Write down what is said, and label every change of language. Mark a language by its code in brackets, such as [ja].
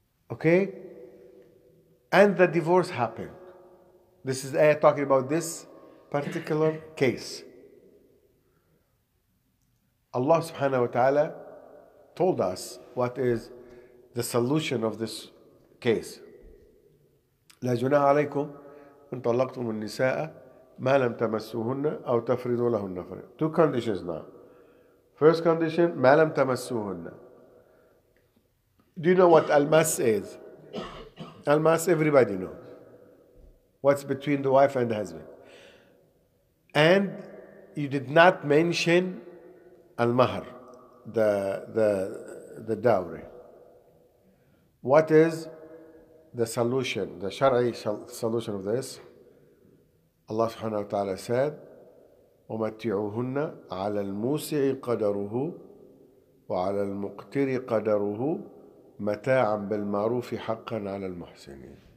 [en] Okay? And the divorce happened. This is ayah talking about this particular case. Allah subhanahu wa ta'ala told us what is the solution of this case. [ar] لا جناح عليكم ان طلقتم النساء ما لم تمسوهن او تفرضوا لهن فريضة. [en] Two conditions now. First condition, [ar] ما لم تمسوهن. [en] Do you know what almas is? Almas, everybody knows. What's between the wife and the husband. And you did not mention al-mahr, the dowry. What is the solution, the shar'i solution of this? Allah subhanahu wa ta'ala said, [ar] وَمَتِّعُهُنَّ عَلَى الْمُوسِعِ قَدَرُهُ وَعَلَى الْمُقْتِرِ قَدَرُهُ مَتَاعًا بِالْمَعْرُوفِ حَقًّا عَلَى الْمُحْسِنِينَ.